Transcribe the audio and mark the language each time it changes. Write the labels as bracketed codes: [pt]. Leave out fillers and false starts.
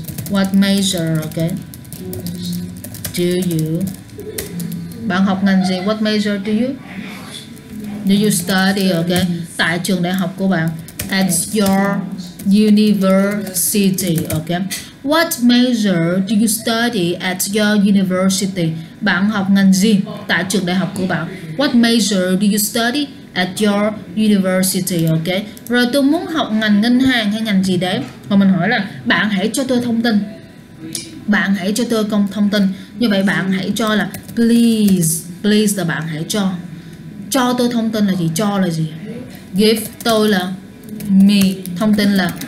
[en] What major, ok. Do you, [vi] bạn học ngành gì? [en] What major do you study, ok, [vi] tại trường đại học của bạn? [en] At your university, ok. What major do you study at your university? [vi] Bạn học ngành gì tại trường đại học của bạn? [en] What major do you study at your university, ok. [vi] Rồi tôi muốn học ngành ngân hàng hay ngành gì đấy, mà mình hỏi là bạn hãy cho tôi thông tin. Bạn hãy cho tôi thông tin. Như vậy bạn hãy cho là please. Please là bạn hãy cho. Cho tôi thông tin là gì? Cho là gì? Give tôi là me. Thông tin là